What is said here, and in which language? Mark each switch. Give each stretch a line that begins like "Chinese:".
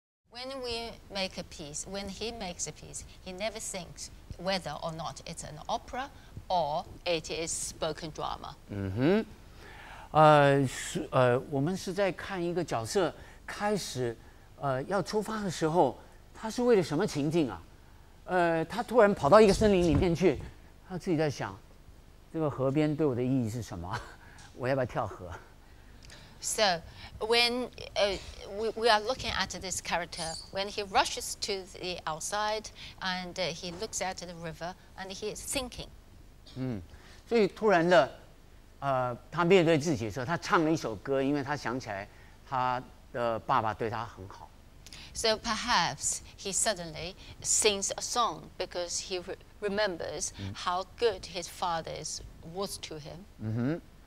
English: When we make a piece, when he makes a piece, he never thinks whether or not it's an opera or it is spoken drama.
Chinese: 我们是在看一个角色开始要出发的时候，他是为了什么情境啊？他突然跑到一个森林里面去，他自己在想，这个河边对我的意义是什么？我要不要跳河？
English: So when we are looking at this character, when he rushes to the outside and he looks at the river and he is thinking.
Chinese: 所以突然的，他面对自己的时候，他唱了一首歌，因为他想起来他的爸爸对他很好。
English: So perhaps he suddenly sings a song because he remembers how good his father was to him.